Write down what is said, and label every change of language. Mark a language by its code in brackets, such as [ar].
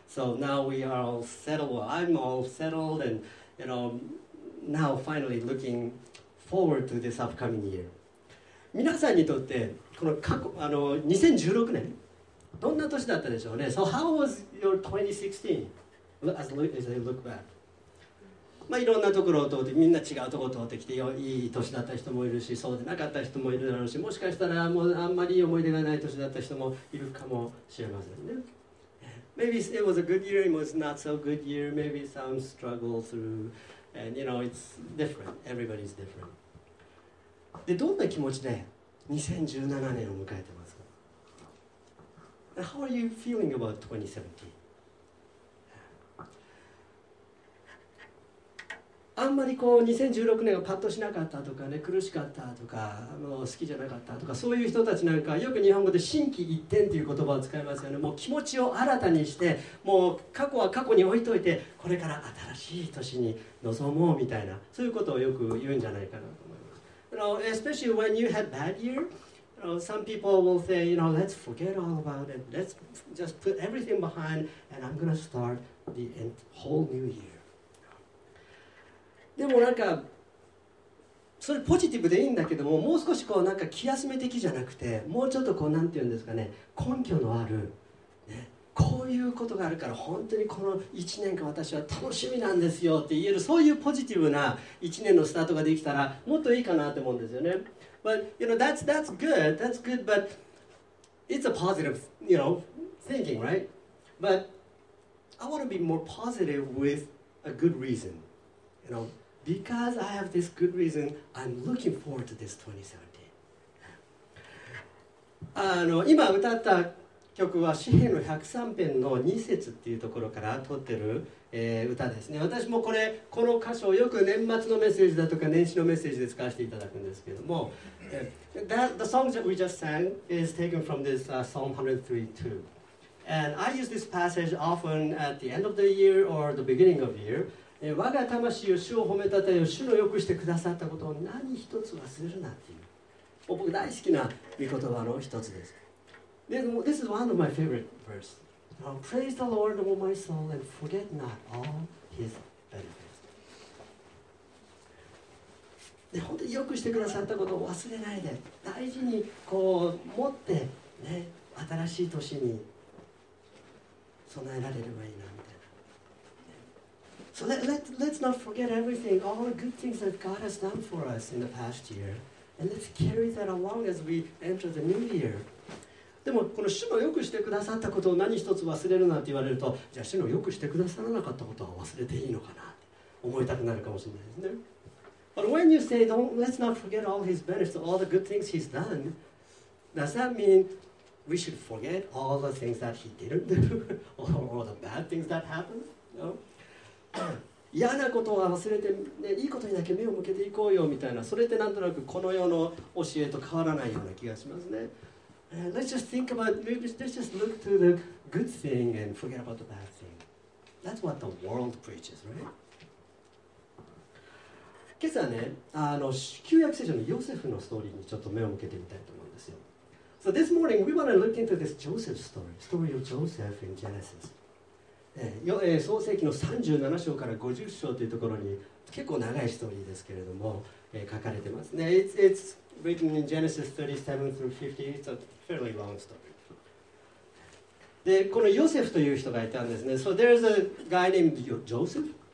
[en] So now we are all settled, I'm all settled, and you know, now finally looking forward to this upcoming year. [ja] 皆さんにとってこの過去、2016年どんな年だったでしょうね。 [en] So how was your 2016 as you look back? [ja] まあ、いろんなところを通って、みんな違うところを通ってきて、いい年だった人もいるし、そうでなかった人もいるだろうし、もしかしたらもうあんまりいい思い出がない年だった人もいるかもしれませんね。 [en] Maybe it was a good year, it was not so good year, maybe some struggle through, and you know, it's different, everybody's different. [ja] で、どんな気持ちで2017年を迎えてますか? [en] How are you feeling about 2017? [ja] あんまりこう2016年がパッとしなかったとかね、苦しかったとか、もう好きじゃなかったとか、そういう人たちなんかよく日本語で心機一転という言葉を使いますよね。もう気持ちを新たにして、もう過去は過去に置いといて、これから新しい年に臨もうみたいな、そういうことをよく言うんじゃないかなと思います。 [en] You know, especially when you had bad year, you know, some people will say, you know, let's forget all about it, let's just put everything behind, and I'm gonna start the whole new year. [ja] でもなんかそれポジティブでいいんだけども、もう少しこうなんか気休め的じゃなくて、もうちょっとこうなんて言うんですかね、根拠のある、ね、こういうことがあるから本当にこの1年間私は楽しみなんですよって言える、そういうポジティブな1年のスタートができたらもっといいかなと思うんですよね。 [en] But you know, that's good, but it's a positive, you know, thinking, right? But I want to be more positive with a good reason, you knowBecause I have this good reason, I'm looking forward to this 2017. [ja] 今歌った曲は詩編の103編の2節っていうところから取ってる、歌ですね。私もこれ、この箇所をよく年末のメッセージだとか年始のメッセージで使わせていただくんですけども、 [en] The song that we just sang is taken from this Psalm 103:2. And I use this passage often at the end of the year or the beginning of year. [ja] 我が魂を主を褒めたてよ、主のよくしてくださったことを何一つ忘れるなっていう、もう僕大好きな御言葉の一つです。で、 [en] This is one of my favorite verse. Praise the Lord, O my soul, and forget not all His benefits. [ja] で、本当によくしてくださったことを忘れないで、大事にこう持ってね、新しい年に備えられればいいな。 [en] So let's not forget everything, all the good things that God has done for us in the past year. And let's carry that along as we enter the new year. [ja] でもこの主のよくしてくださったことを何一つ忘れるなって言われると、じゃあ主のよくしてくださらなかったことは忘れていいのかなって思いたくなるかもしれないですね。 [en] But when you say, let's not forget all his benefits, all the good things he's done, does that mean we should forget all the things that he didn't do? or the bad things that happened? No? [ja] 嫌なことは忘れて、ね、いいことにだけ目を向けていこうよみたいな、それってなんとなくこの世の教えと変わらないような気がしますね。 [en] Let's just think about, maybe let's just look to the good thing and forget about the bad thing. That's what the world preaches, right? [ja] 今朝ね、旧約聖書のヨセフのストーリーにちょっと目を向けてみたいと思うんですよ。 [en] So this morning we want to look into this Joseph story, story of Joseph in Genesis. [ja] 創世記の37章から50章というところに結構長いストーリーですけれども、書かれてますね。 [en] It's written in Genesis 37 through 50. It's a fairly long story. [ja] で、このヨセフという人がいたんですね。 [en] So there's a guy named Joseph.